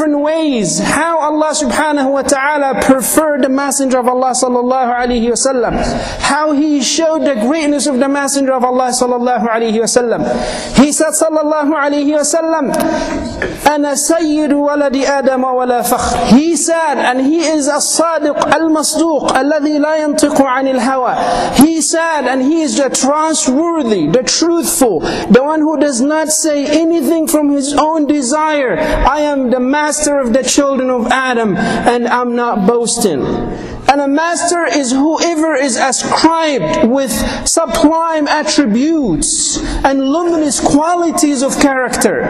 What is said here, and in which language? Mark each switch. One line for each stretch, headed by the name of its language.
English: different ways how Allah subhanahu wa ta'ala preferred the Messenger of Allah sallallahu alayhi wa sallam. How he showed the greatness of the Messenger of Allah sallallahu alayhi wa sallam. He said
Arabic: sallallahu alayhi wa sallam, أَنَا سَيِّدُ وَلَدِ آدَمَ وَلَا فَخْرٍ.
English: He said, and he is
Arabic: الصادق المصدوق الذي لا ينطق عن الهوى.
English: He said, and he is the trustworthy, the truthful, the one who does not say anything from his own desire. I am the master of the children of Adam, and I'm not boasting. And a master is whoever is ascribed with sublime attributes and luminous qualities of character.